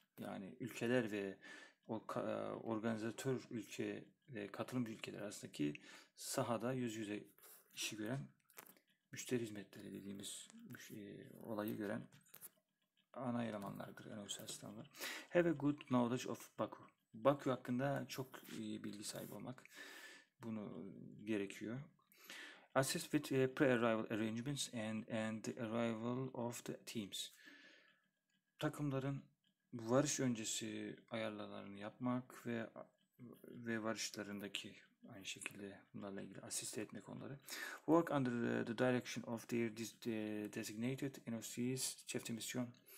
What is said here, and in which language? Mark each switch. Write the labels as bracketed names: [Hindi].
[Turkish] Yani ülkeler ve organizatör ülke ve katılımcı ülkeler arasındaki sahada yüz yüze işi gören, müşteri hizmetleri dediğimiz olayı gören ana elemanlardır NOC asistanlar. [English] Have a good knowledge of Baku. [Turkish] Baku hakkında çok iyi bilgi sahibi olmak bunu gerekiyor. [English] Assist with pre-arrival arrangements and the arrival of the teams. [Turkish] Takımların varış öncesi ayarlarını yapmak ve varışlarındaki aynı şekilde bunlarla ilgili asiste etmek onları. [English] Work under the direction of their designated NOCs, chef de mission.